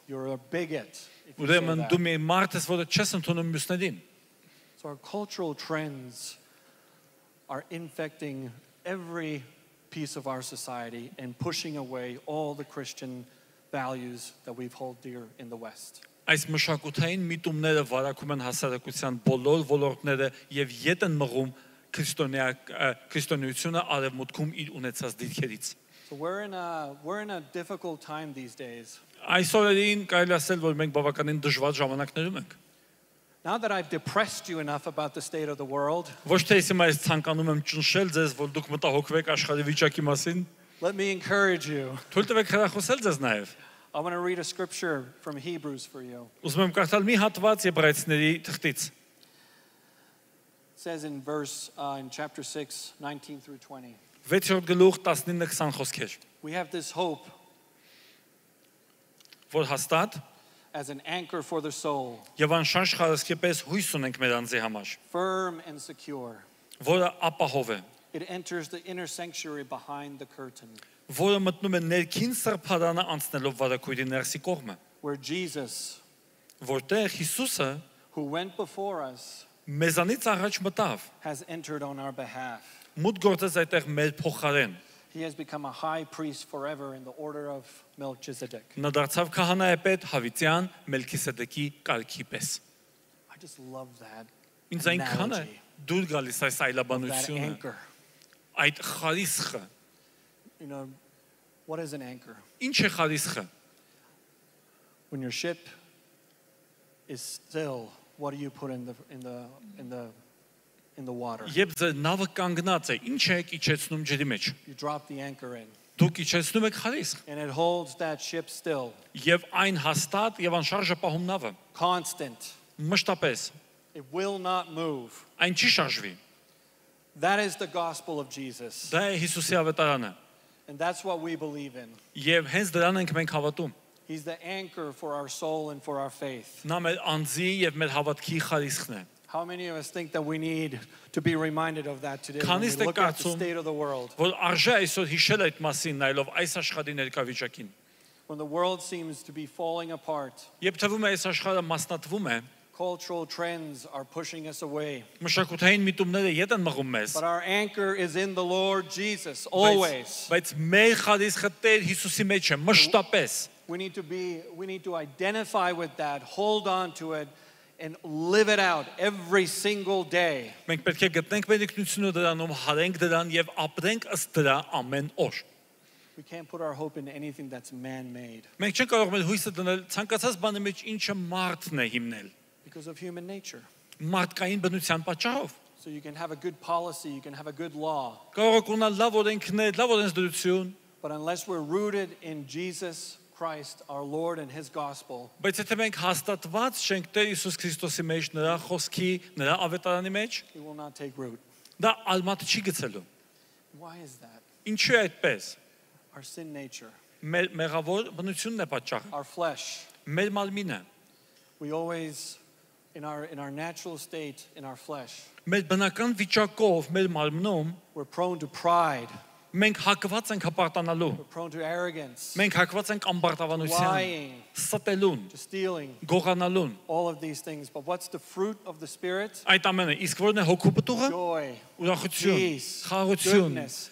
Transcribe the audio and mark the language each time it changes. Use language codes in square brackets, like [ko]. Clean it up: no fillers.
[en] You're a bigot if you say that. So our cultural trends are infecting every piece of our society and pushing away all the Christian values that we've held dear in the West. [hy] Այս մշակութային միտումները վարակում են հասարակության բոլոր ոլորտները եւ ետ են մղում քրիստոնեությունը արևմուտքում իր ունեցած դիրքերից. [en] So we're in a difficult time these days. [hy] Այսօրին կարելի ասել, որ մենք բավականին դժվար ժամանակներում ենք. [en] Now that I've depressed you enough about the state of the world, [hy] ոչ թե հիմա ես ցանկանում եմ ճնշել ձեզ, որ դուք մտահոգվեք աշխարհի վիճակի մասին. [en] Let me encourage you. [hy] Թույլ տվեք հրախուսել ձեզ նաև. [en] I want to read a scripture from Hebrews for you. [hy] Ուզում եմ կարդալ մի հատված Եբրայցների թղթից. [en] Says in verse in chapter 6 19 through 20. [hy] Վեցերորդ գլուխ 19-20 խոսքեր. [en] We have this hope. [hy] Որ հաստատ [en] as an anchor for the soul. [hy] Եվ անշարժ խարսքիպես հույս ունենք մեր անձի համար. [en] Firm and secure. [hy] Որը ապահով է. [en] It enters the inner sanctuary behind the curtain. [hy] Որը մտնում է ներքին սրբարանը անցնելով վարակույրի ներսի կողմը. [en] Where Jesus. [hy] Որտեղ Հիսուսը [en] who went before us. [hy] Մեզանից առաջ մտավ. [en] Has entered on our behalf. [hy] Մուտք գործեց այդտեղ մեր փոխարեն. [en] He has become a high priest forever in the order of Melchizedek. [hy] Նա դարձավ քահանայպետ հավիտյան Մելքիսեդեկի կարգի պես. [en] I just love that. [hy] Ինձ այնքան է դուր գալիս այս այլաբանությունը. Այդ խարիսխը. [en] You know what is an anchor? [hy] Ինչ է խարիսխը? [en] When your ship is still, what do you put in the water? [hy] Եթե ձեր նավը կանգնած է, ինչ եք իջեցնում ջրի մեջ? [en] You drop the anchor in. [hy] Դուք իջեցնում եք խարիսխ։ [en] And it holds that ship still. [hy] Եվ այն հաստատ եւ անշարժ պահում նավը։ [en] Constant. [hy] Մշտապես։ [en] It will not move. [hy] Այն չի շարժվի։ [en] That is the gospel of Jesus. [hy] Դա է Հիսուսի ավետարանը։ [en] And that's what we believe in. [hy] Եվ հենց դրան ենք մենք հավատում։ [en] He's the anchor for our soul and for our faith. [hy] Նա մեր անձի եւ մեր հավատքի խարիսխն է։ [en] How many of us think that we need to be reminded of that today when we look at the state of the world? [hy] Որ արժե այսօր հիշել այդ մասին նայելով այս աշխարհի ներկա վիճակին։ [en] When the world seems to be falling apart. [hy] Երբ թվում է այս աշխարհը մասնատվում է, [en] cultural trends are pushing us away. [hy] Մշակութային միտումները յետ են մղում մեզ. [en] But our anchor is in the Lord Jesus always. [hy] Բայց մեր խարիսխը Տեր Հիսուսի մեջ է մշտապես. [en] We need to identify with that, hold on to it and live it out every single day. [hy] Մենք պետք է գտնենք մեր ինքնությունը դրանում, հարենք դրան եւ ապրենք ըստ դրա ամեն օր. [en] We can't put our hope in anything that's man-made. [hy] Մենք չենք կարող մեր հույսը դնել ցանկացած բանի մեջ, ինչը մարդն է հիմնել. [en] Because of human nature. [hy] Մարդկային բնության պատճառով. [en] So you can have a good policy, you can have a good law. [hy] Կարող ենք ունենալ լավ օրենքներ, լավ օրենսդրություն. [en] But unless we're rooted in Jesus Christ our Lord and his gospel. [hy] Բայց եթե մենք հաստատված չենք Տեր Հիսուս Քրիստոսի մեջ, նրա խոսքի, նրա ավետարանի մեջ, [en] it will not take root. [hy] Դա ալմատ չի գցելու. [en] Why is that? [hy] Ինչու է այդպես? [en] Our sin nature. [hy] Մեր մեղավոր բնությունն է պատճառը. [en] Our flesh. [hy] Մեր մալմինը. [en] We always in our natural state in our flesh. [hy] Մեր բնական վիճակով, մեր մալմնում, [en] we're prone to pride. [hy] Մենք հակված ենք հպարտանալու։ Մենք հակված ենք անբարտավանության, ստելուն, գողանալուն։ Այդ ամենը, իսկ որն է հոգու պտուղը։ Ուրախություն, խաղաղություն,